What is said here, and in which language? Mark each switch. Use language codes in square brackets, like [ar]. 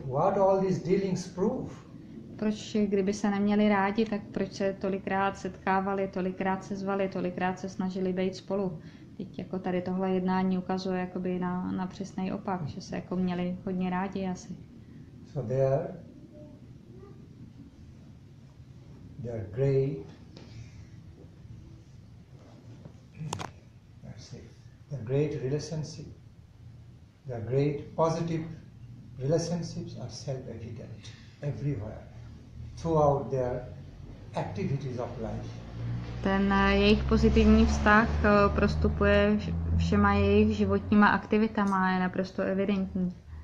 [en] What all these dealings prove? [cs] Proč, kdyby se neměli rádi, tak proč se tolikrát setkávali, tolikrát se zvali, tolikrát se snažili být spolu? Teď jako tady tohle jednání ukazuje jakoby na přesný opak, že se jako měli hodně rádi asi. [en] So they are great. That's it. The great relationship, the great positive relationships are self-evident everywhere throughout their activities of life. [cs] Ten jejich pozitivní vztah prostupuje všema jejich životníma aktivitama, je naprosto evidentní.